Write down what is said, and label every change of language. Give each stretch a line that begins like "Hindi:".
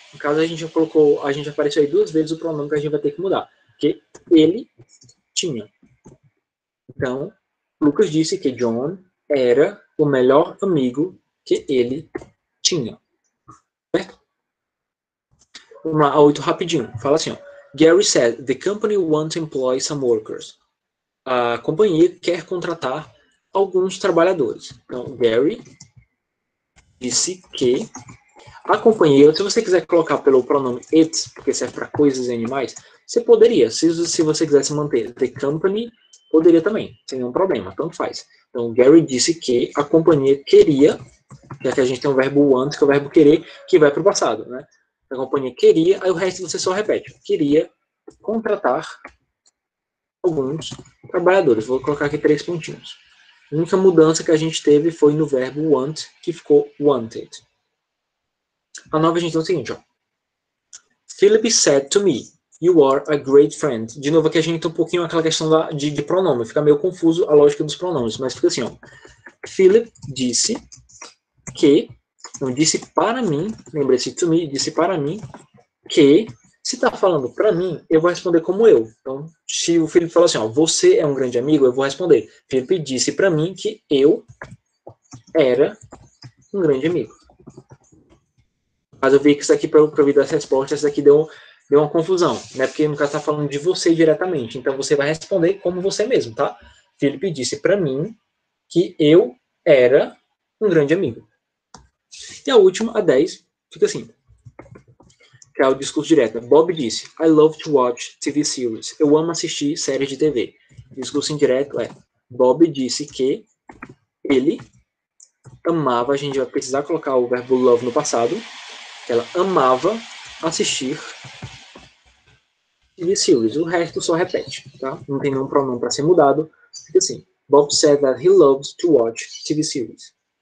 Portuguese: No caso, a gente apareceu aí duas vezes o pronome que a gente vai ter que mudar. Que ele tinha. Então, Lucas disse que John era o melhor amigo que ele tinha. Certo? Vamos lá, a oito rapidinho. Fala assim, ó.
English: Gary said, the company wants to employ some workers.
Portuguese: A companhia quer contratar alguns trabalhadores. Então, Gary disse que a companhia, se você quiser colocar pelo pronome it, porque serve para coisas e animais, você poderia, se você quisesse manter
English: the company,
Portuguese: poderia também, sem nenhum problema, tanto faz. Então, Gary disse que a companhia queria, já que a gente tem o verbo want, que é o verbo querer, que vai para o passado, né? A companhia queria, aí o resto você só repete, queria contratar alguns trabalhadores. Vou colocar aqui três pontinhos. A única mudança que a gente teve foi no verbo want, que ficou wanted. A nova, gente, é o seguinte, ó.
English: Philip said to me, you are a great friend.
Portuguese: De novo, aqui a gente tem um pouquinho aquela questão de pronome. Fica meio confuso a lógica dos pronomes, mas fica assim, ó. Philip disse que, não disse para mim, lembre-se,
English: to me,
Portuguese: disse para mim, que, se está falando para mim, eu vou responder como eu. Então, se o Felipe falar assim, ó, você é um grande amigo, eu vou responder. Felipe disse para mim que eu era um grande amigo. Mas eu vi que isso aqui, para eu ouvir essa resposta, isso aqui deu uma confusão, né? Porque no caso está falando de você diretamente. Então, você vai responder como você mesmo, tá? Felipe disse para mim que eu era um grande amigo. E a última, a 10, fica assim. Que é o discurso direto. Bob disse,
English: I love to watch TV series.
Portuguese: Eu amo assistir séries de TV. Discurso indireto é, Bob disse que ele amava, a gente vai precisar colocar o verbo love no passado, que ela amava assistir TV series. O resto só repete, tá? Não tem nenhum pronome para ser mudado. Fica assim.
English: Bob said that he loves to watch TV series.